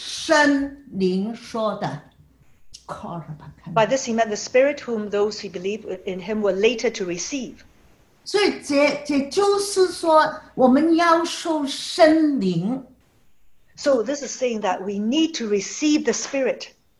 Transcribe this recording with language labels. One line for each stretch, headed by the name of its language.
English: By this he meant the spirit whom those who believe in him were later to receive.
Chinese: 所以这就是说我们要受圣灵。So
English: this is saying that we need to receive the spirit.